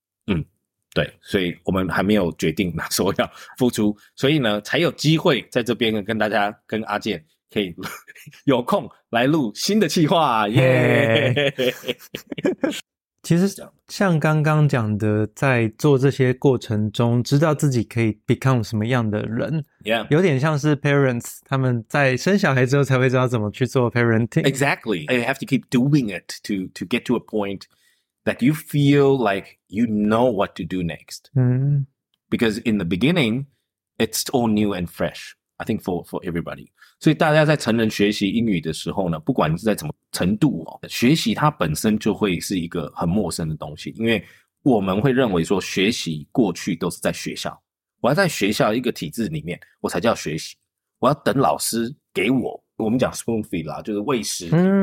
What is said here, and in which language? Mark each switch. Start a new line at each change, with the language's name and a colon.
Chinese: 嗯，对，所以我们还没有决定哪时候要复出，所以呢才有机会在这边跟大家跟阿健可以有空来录新的企划耶、
English: yeah!
Chinese: 其实像刚刚讲的，在做这些过程中知道自己可以 become 什么样的人、
English: yeah.
Chinese: 有点像是 parents 他们在生小孩之后才会知道怎么去做 parenting.
English: Exactly, you have to keep doing it to get to a pointthat you feel like you know what to do next.、 Mm. Because in the beginning, it's all new and fresh, I think for everybody.
Chinese: 所以大家在成人学习英语的时候呢，不管是在什么程度、哦、学习它本身就会是一个很陌生的东西，因为我们会认为说学习过去都是在学校，我要在学校一个体制里面我才叫学习，我要等老师给我，我们讲 spoon feed 啦，就是喂食、mm.